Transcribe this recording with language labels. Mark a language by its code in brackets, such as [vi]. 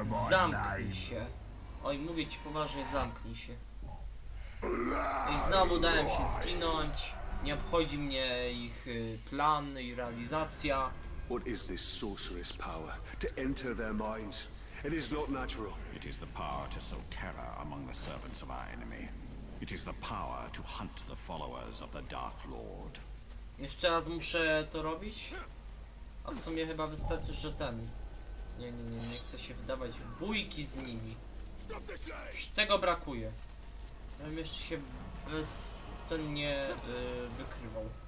[pl] Zamknij się. Oj, mówię ci poważnie, zamknij się. I znowu dałem się zginąć. Nie obchodzi mnie ich plan i realizacja. [en] What is this sorcerer's power to enter their minds? It is not natural. It is the power to sow terror among the servants of our enemy. It is the power to hunt the followers of the Dark Lord. [pl] Jeszcze raz muszę to robić? A w sumie chyba wystarczy, że ten. Nie chcę się wydawać w bójki z nimi. Już tego brakuje. Ja bym jeszcze się bezcennie wykrywał.